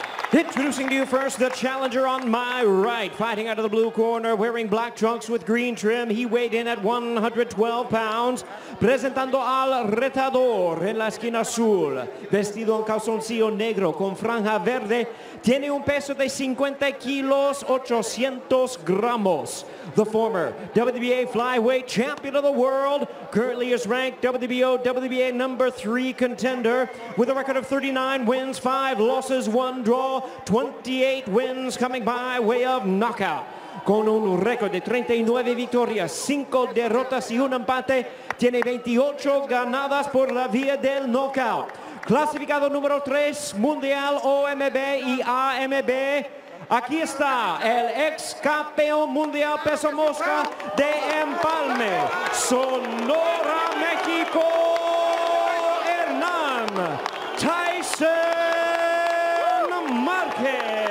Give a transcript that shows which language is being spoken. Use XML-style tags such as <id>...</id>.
<en>Introducing to you first, the challenger on my right, fighting out of the blue corner, wearing black trunks with green trim. He weighed in at 112 pounds.</en> <es>Presentando al retador en la esquina azul, vestido en calzoncillo negro con franja verde, tiene un peso de 50 kilos, 800 gramos.</es> <en>The former WBA flyweight champion of the world, currently is ranked WBO, WBA number 3 contender, with a record of 39 wins, 5 losses, 1 draw, 28 wins coming by way of knockout.</en> <es>Con un récord de 39 victorias, 5 derrotas y un empate, tiene 28 ganadas por la vía del knockout. Clasificado número 3, Mundial OMB y AMB. Aquí está el ex campeón mundial peso mosca de Empalme, Sonora, México, Hernán Tyson Márquez.</es>